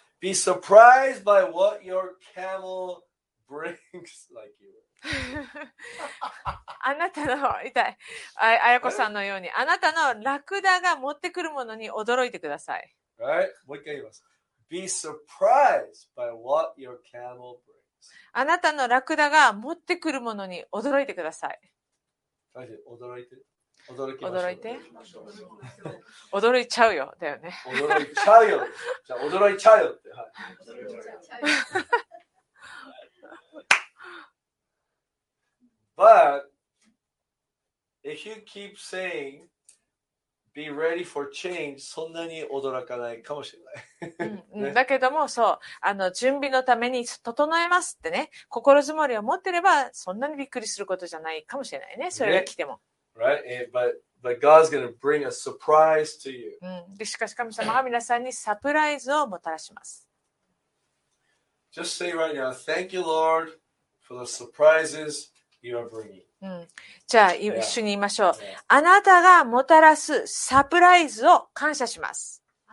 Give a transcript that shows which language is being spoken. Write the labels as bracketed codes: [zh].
[en] Be surprised by what your camel brings, like you. [ja] あなたの、痛い。あやこさんのように、あなたのラクダが持ってくるものに驚いてください。はい、もう一回言います。 [en] Be surprised by what your camel brings. [ja] あなたのラクダが持ってくるものに驚いてください。驚いて。驚いちゃうよだよね。驚いちゃうよって。はい、 [en] But if you keep saying. Be ready for change. [ja] そんなに驚かないかもしれない。だけども、そう、準備のために整えますってね、心づもりを持ってれば、そんなにびっくりすることじゃないかもしれないね、それが来ても。 [en] Right? But God's going to bring a surprise to you. [ja] しかし神様は皆さんにサプライズをもたらします。 [en] Just say right now, thank you, Lord, for the surprises you are bringing. [ja] じゃあ一緒に言いましょう。あなたがもたらすサプライズを感謝します。